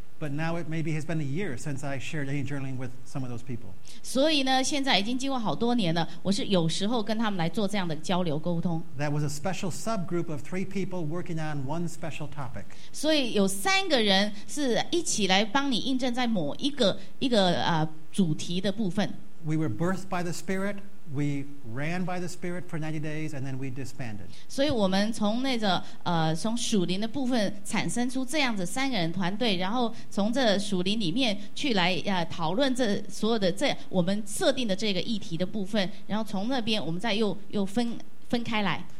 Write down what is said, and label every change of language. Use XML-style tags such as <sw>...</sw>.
<en>But now it maybe has been a year since I shared any journaling with some of those people.</en> <zh>所以呢，现在已经经过好多年了，我是有时候跟他们来做这样的交流沟通。</zh> <en>That was a special subgroup of three people working on one special topic.</en> <zh>所以有三个人是一起来帮你印证在某一个主题的部分。</zh> <en>We were birthed by the Spirit. We ran by the Spirit for 90 days and then we disbanded.</en> <zh>所以我们从那个从属灵的部分产生出这样子三个人团队，然后从这属灵里面去来讨论这所有的这我们设定的这个议题的部分，然后从那边我们再又分开来。</zh>